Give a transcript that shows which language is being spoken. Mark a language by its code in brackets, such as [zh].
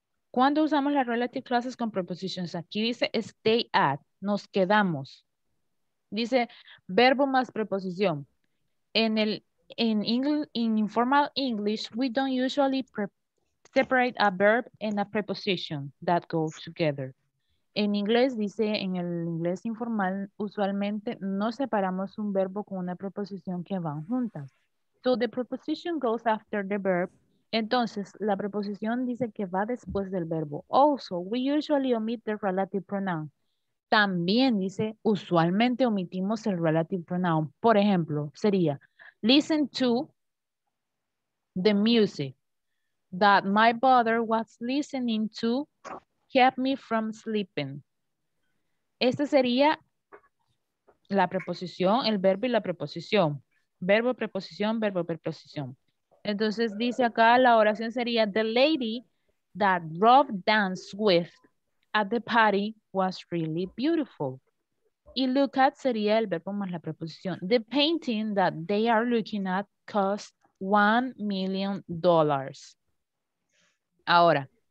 [es] ¿Cuándo usamos las relative clauses con prepositions? Aquí dice stay at, nos quedamos. Dice verbo más preposición. [en] In informal English, we don't usually separate a verb and a preposition that go together. [es] En inglés dice, en el inglés informal, usualmente no separamos un verbo con una preposición que van juntas. [en] So the preposition goes after the verb. [es] Entonces, la preposición dice que va después del verbo. [en] Also, we usually omit the relative pronoun. [es] También dice, usualmente omitimos el relative pronoun. Por ejemplo, sería, [en] listen to the music that my brother was listening to. Kept me from sleeping. [es] Esta sería la preposición, el verbo y la preposición. Verbo, preposición, verbo, preposición. Entonces dice acá la oración sería [en] the lady that Rob danced with at the party was really beautiful. [es] Y look at sería el verbo más la preposición. [en] The painting that they are looking at cost $1 million. Ahora,